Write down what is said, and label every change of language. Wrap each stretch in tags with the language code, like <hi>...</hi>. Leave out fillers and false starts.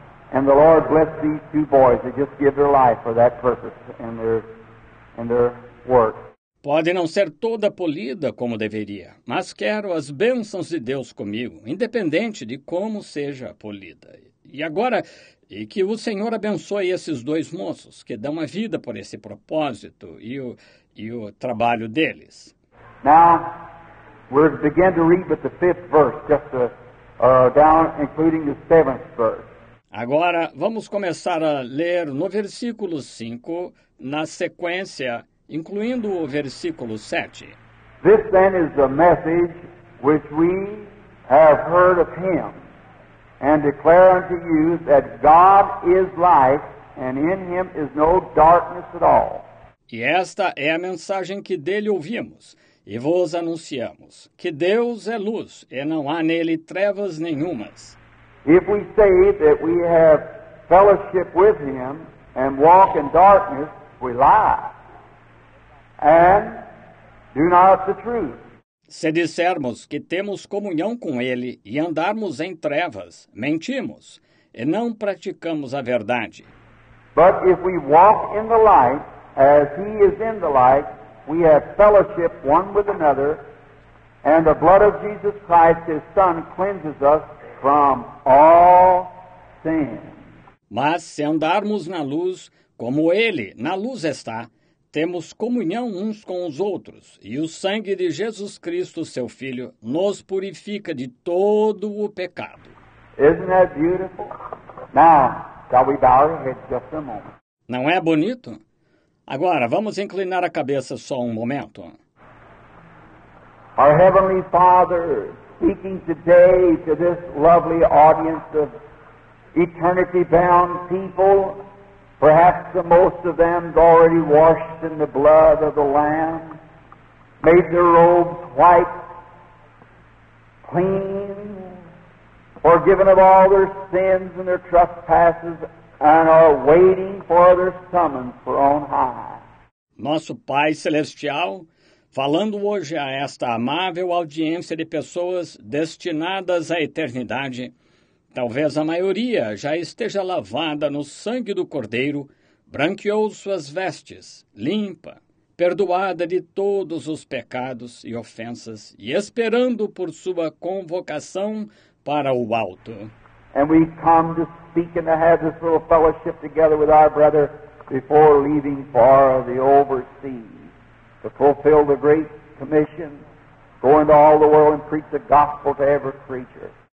<en>And the Lord bless these two boys. They just give their life for that purpose and their work.</en> <pt>Pode não ser toda polida como deveria, mas quero as bênçãos de Deus comigo, independente de como seja polida. E agora, e que o Senhor abençoe esses dois moços que dão a vida por esse propósito e o trabalho deles.</pt> <en>Now, we're beginning to read with the fifth verse, just down including the seventh verse.</en> <pt>Agora, vamos começar a ler no versículo 5, na sequência, incluindo o versículo 7.</pt> <en>This then is the message which we have heard of him, and declare unto you that God is light, and in him is no darkness at all.</en> <pt>E esta é a mensagem que dele ouvimos, e vos anunciamos, que Deus é luz, e não há nele trevas nenhumas.</pt> <en>If we say that we have fellowship with him, and walk in darkness, we lie. And You know the truth.</en> <pt>Se dissermos que temos comunhão com Ele e andarmos em trevas, mentimos e não praticamos a verdade.</pt> <en>But if we walk in the light, as He is in the light, we have fellowship one with another, and the blood of Jesus Christ, His Son, cleanses us from all sin.</en> <pt>Mas se andarmos na luz, como Ele na luz está, temos comunhão uns com os outros, e o sangue de Jesus Cristo, Seu Filho, nos purifica de todo o pecado.</pt> <en>Isn't that beautiful? Now, shall we bow our heads just a moment?</en> <pt>Não é bonito? Agora, vamos inclinar a cabeça só um momento.</pt> <en>Our Heavenly Father, speaking today to this lovely audience of eternity-bound people, perhaps the most of them already washed in the blood of the Lamb, made their robes white, clean, forgiven of all their sins and their trespasses, and are waiting for their summons for on high.</en> <pt>Nosso Pai Celestial, falando hoje a esta amável audiência de pessoas destinadas à eternidade, talvez a maioria já esteja lavada no sangue do Cordeiro, branqueou suas vestes, limpa, perdoada de todos os pecados e ofensas, e esperando por sua convocação para o alto.</pt> <en>And we come to speak and to have this little fellowship together with our brother before leaving for the overseas to fulfill the great commission, go into all the world and preach the gospel to every creature.</en>